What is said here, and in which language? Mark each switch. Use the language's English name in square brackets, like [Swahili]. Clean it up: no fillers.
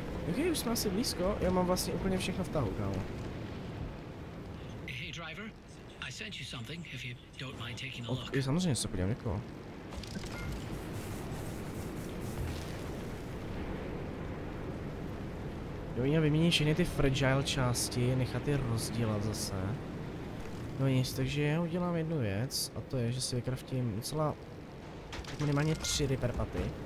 [Czech] Okej, už jsme asi blízko, já mám vlastně úplně všechno v tahu, kámo. [English] Hey driver, I sent you something, if you don't mind taking a look. [Czech] Okay, samozřejmě se podívám někoho. Jo, měl vyměnit všechny ty fragile části, nechat je rozdělat zase. No nic, takže já udělám jednu věc, a to je, že si vycraftím docela minimálně 3 repair paty.